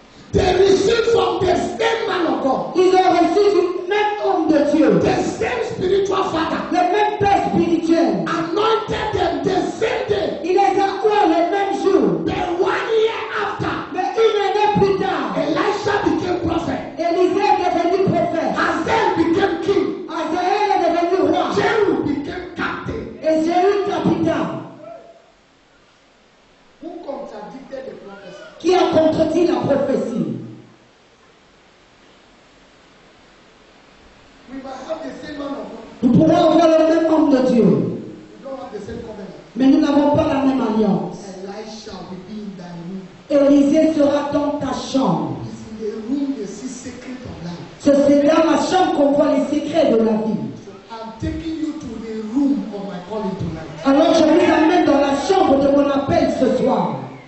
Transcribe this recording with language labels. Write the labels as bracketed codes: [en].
[en] They received from the same man of God. [fr] Ils ont reçu du même homme de Dieu. [en] The same spiritual father. [fr] Le même père spirituel. [en] Anointed them the same day. [fr] Il les a oués le même jour. [en] Then 1 year after. [fr] Mais une année plus tard. [en] Elisha became prophet. [fr] Élisée est devenu prophète. [en] Hazael became king. [fr] Hazael est devenu roi. [en] Jéhu became captain. [fr] Et Jéhu capitaine. [en] Who contradicted the prophecy? [fr] Qui a contredit la prophétie? [en] We might have the same man of God. [fr] Nous pouvons avoir le même homme de Dieu. [en] We don't have the same covenant. [fr] Mais nous n'avons pas la même alliance. [en] Elisha will be in thy room. [fr] Élisée sera dans ta chambre. [en] It's in the room the secret of life. [fr] Ce sera dans ma chambre qu'on voit les secrets de la vie. [en] I'm taking you to the room of my calling tonight. [fr] Alors je vous amène dans la chambre de mon appel ce soir.